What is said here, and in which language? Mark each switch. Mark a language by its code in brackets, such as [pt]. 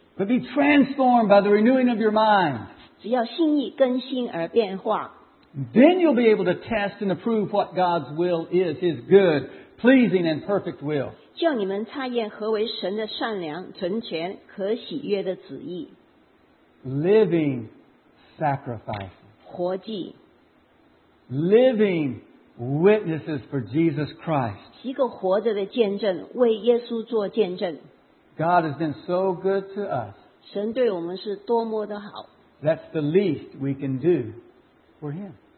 [en] But be transformed by the renewing of your mind. [zh] 只要心意更新而变化, [en] then you'll be able to test and approve what God's will is, His good, pleasing, and perfect will. [zh] 叫你们查验何为神的善良,存全,可喜悦的旨意。 [en] Living sacrifices. [zh] 活祭。 [en] Living witnesses for Jesus Christ. [zh] 一个活着的见证,为耶稣做见证。 [en] God has been so good to us. [zh] 神对我们是多么的好。 [en] That's the least we can do for Him.